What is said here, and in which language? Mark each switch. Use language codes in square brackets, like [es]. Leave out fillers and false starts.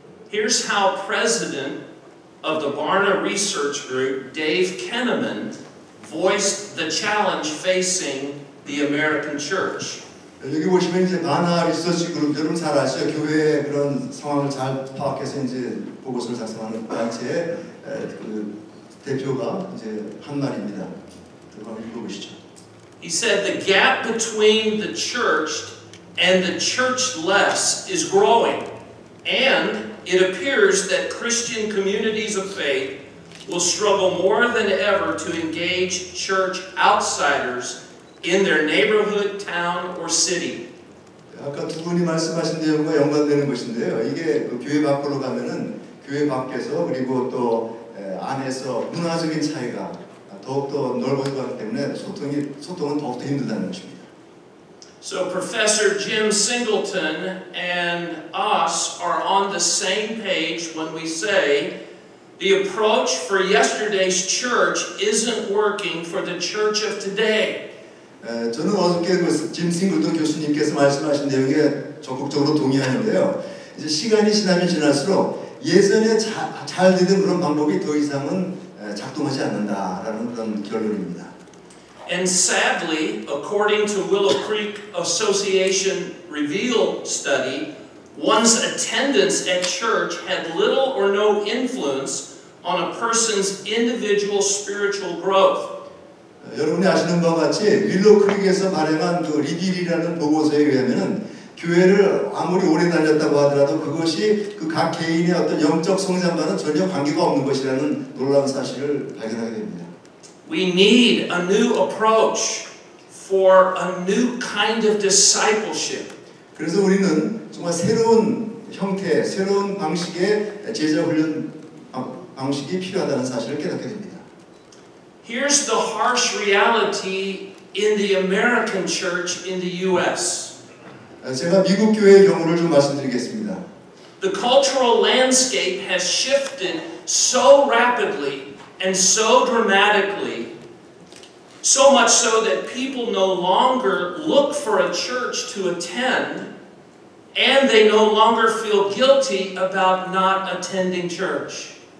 [en] Here's how president of the Barna Research Group, Dave Kenneman, voiced the challenge facing the American church. [ko] 여기 보시면 이제 바나 리서치 그룹 여러분 잘 아시죠? 교회의 그런 상황을 잘 파악해서 이제 보고서를 작성하는 단체의 그 대표가 이제 한 말입니다. 한번 읽어보시죠. [en] He said the gap between the church and the churchless is growing, and it appears that Christian communities of faith will struggle more than ever to engage church outsiders in their neighborhood, town, or city. [ko] 아까 두 분이 말씀하신 내용과 연관되는 것인데요. 이게 교회 밖으로 가면은 교회 밖에서 그리고 또 안에서 문화적인 차이가 더욱더 넓어지고 하기 때문에 소통은 더욱더 힘들다는 것입니다. [en] So Professor Jim Singleton and us are on the same page when we say the approach for yesterday's church isn't working for the church of today. [ko] 저는 어저께 짐 싱글턴 교수님께서 말씀하신 내용에 적극적으로 동의하는데요. 이제 시간이 지나면 지날수록 예전에 잘 되던 그런 방법이 더 이상은 작동하지 않는다라는 그런 결론입니다. [en] And sadly, according to Willow Creek Association Reveal study, one's attendance at church had little or no influence on a person's individual spiritual growth. [ko] 여러분이 아시는 바와 같이 윌로크릭에서 발행한 그 리딜이라는 보고서에 의하면은 교회를 아무리 오래 다녔다고 하더라도 그것이 그 각 개인의 어떤 영적 성장과는 전혀 관계가 없는 것이라는 놀라운 사실을 발견하게 됩니다. [en] We need a new approach for a new kind of discipleship. [ko] 그래서 우리는 정말 새로운 형태, 새로운 방식의 제자 훈련 방식이 필요하다는 사실을 깨닫게 됩니다. [en] Here's the harsh reality in the American church in the U.S. [ko] 제가 미국 교회의 경우를 좀 말씀드리겠습니다. [en] The cultural landscape has shifted so rapidly and so dramatically, so much so that people no longer look for a church to attend, and they no longer feel guilty about not attending church.